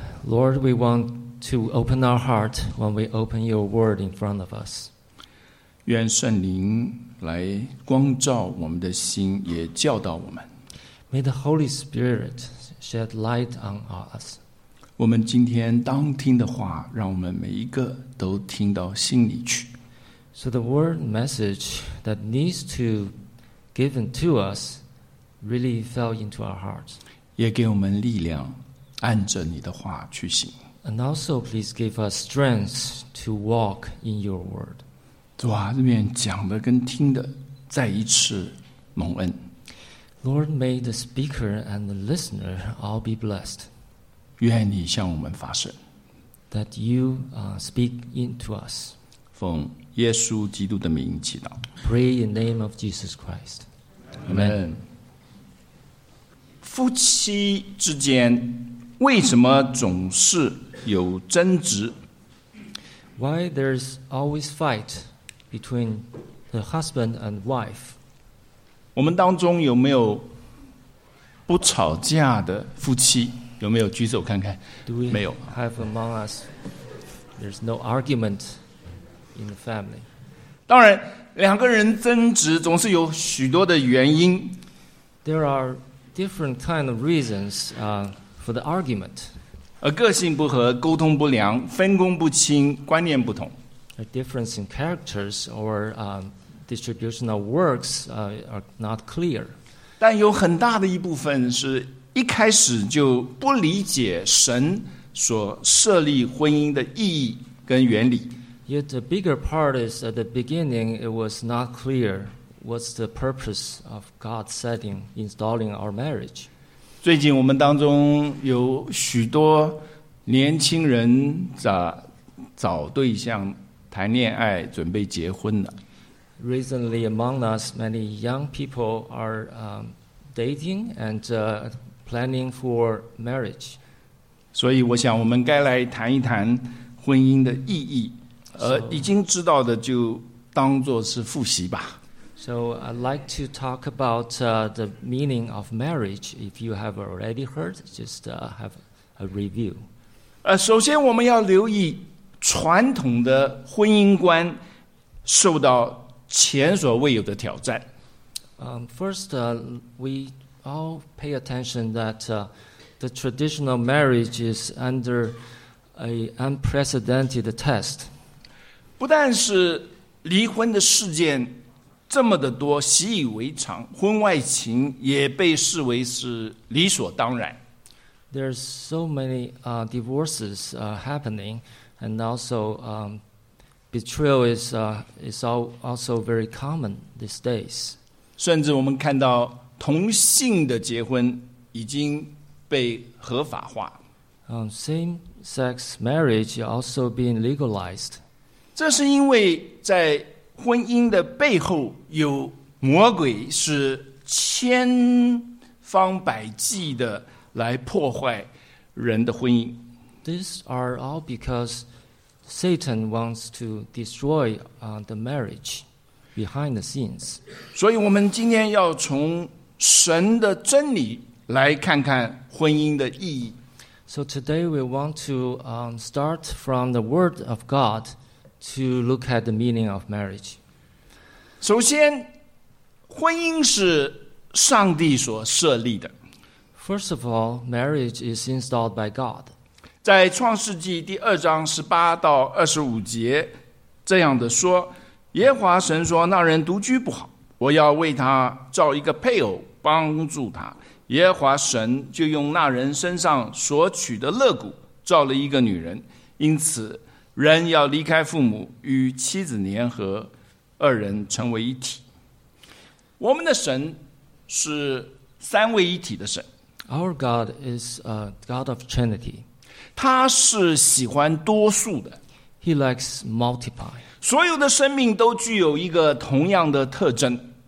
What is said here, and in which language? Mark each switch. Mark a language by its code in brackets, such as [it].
[en] Lord, we want to open our heart when we open your word in front of us。 [zh] 愿圣灵来光照我们的心，也教导我们。 [en] May the Holy Spirit shed light on us。 [zh] 我们今天当听的话，让我们每一个都听到心里去。 [en] So the word message that needs to be given to us really fell into our hearts. [zh] 也给我们力量，按着你的话去行。 [en] And also please give us strength to walk in your word. [zh] 主啊，这边讲的跟听的再一次蒙恩。 [en] Lord, may the speaker and the listener all be blessed. [zh] 愿你向我们发声。 [en] That you speak into us. [zh] 奉耶稣基督的名祈祷。 [en] Pray in name of Jesus Christ. Amen. [zh] 夫妻之间为什么总是有争执？ [en] Why there's always fight between the husband and wife? [zh] 我们当中有没有不吵架的夫妻？有没有举手看看？没有。 [en] Do we have among us? There's no argument. In the family. [zh] 当然，两个人争执总是有许多的原因。 [en] There are different kind of reasons, for the argument. [zh] 个性不合，沟通不良，分工不清，观念不同。 [en] A difference in characters or distribution of works are not clear. [zh] 但有很大的一部分是一开始就不理解神所设立婚姻的意义跟原理。 [en] Yet the bigger part is at the beginning it was not clear what's the purpose of God setting installing our marriage. [zh] 最近我们当中有许多年轻人找对象、谈恋爱、准备结婚的。 [en] Recently among us many young people are dating and planning for marriage. [zh] 所以我想我们该来谈一谈婚姻的意义。而已经知道的就当作是复习吧。 [en] So I'd like to talk about the meaning of marriage. If you have already heard, just have a review. [zh] 首先我们要留意传统的婚姻观受到前所未有的挑战。 [en] First, we all pay attention that the traditional marriage is under an unprecedented test. [zh] 不但是离婚的事件这么的多，习以为常，婚外情也被视为是理所当然。 [en] There's so many divorces happening, and also betrayal is also very common these days. [zh] 甚至我们看到同性的结婚已经被合法化。 [en] Same-sex marriage also being legalized. [zh] 这是因为在婚姻的背后有魔鬼是千方百计的来破坏人的婚姻。 [en] These are all because Satan wants to destroy the marriage behind the scenes. [zh] 所以我们今天要从神的真理来看看婚姻的意义。 [en] So today we want to start from the word of God. To look at the meaning of marriage. [zh] 首先，婚姻是上帝所设立的。 [en] First of all, marriage is installed by God. [zh] 在创世纪第二章十八到二十五节这样的说，耶和华神说：“那人独居不好，我要为他造一个配偶帮助他。” 耶和华神就用那人身上所取的肋骨造了一个女人，因此。人要离开父母，与妻子联合，二人成为一体。我们的神是三位一体的神。 [en] Our God is a God of Trinity. [zh] 他是喜欢多数的。 [en] He likes multiply. [zh] 所有的生命都具有一个同样的特征。